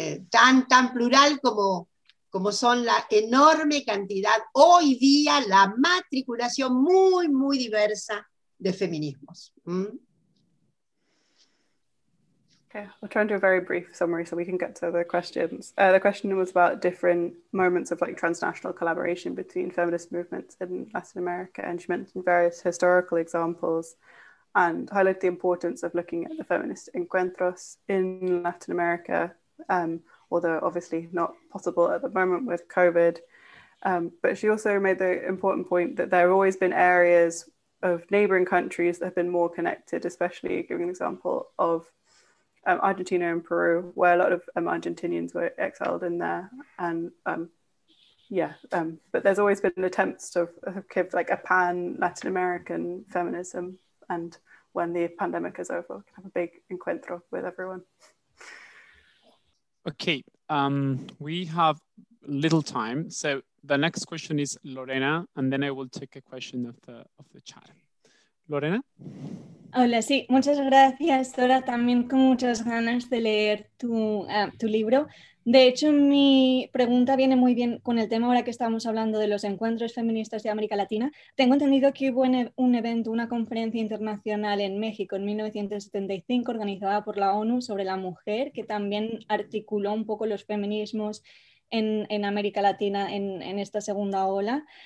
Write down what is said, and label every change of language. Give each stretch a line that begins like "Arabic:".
Spanish: tan plural como son la enorme cantidad, hoy día la matriculación muy, muy diversa de feminismos.
English: Yeah, I'll try and do a very brief summary so we can get to the questions. The question was about different moments of like transnational collaboration between feminist movements in Latin America, and she mentioned various historical examples and highlight the importance of looking at the feminist encuentros in Latin America, although obviously not possible at the moment with COVID. But she also made the important point that there have always been areas of neighboring countries that have been more connected, especially giving an example of Argentina and Peru, where a lot of Argentinians were exiled in there, and but there's always been attempts to give like a pan Latin American feminism, and when the pandemic is over, we can have a big encuentro with everyone. Okay, we have little time, so the next question is Lorena, and then I will take a question of the chat. Lorena.
Spanish: Hola, sí, muchas gracias, Dora, también con muchas ganas de leer tu libro. De hecho, mi pregunta viene muy bien con el tema ahora que estamos hablando de los encuentros feministas de América Latina. Tengo entendido que hubo un evento, una conferencia internacional en México en 1975 organizada por la ONU sobre la mujer, que también articuló un poco los feminismos en América Latina en esta segunda ola.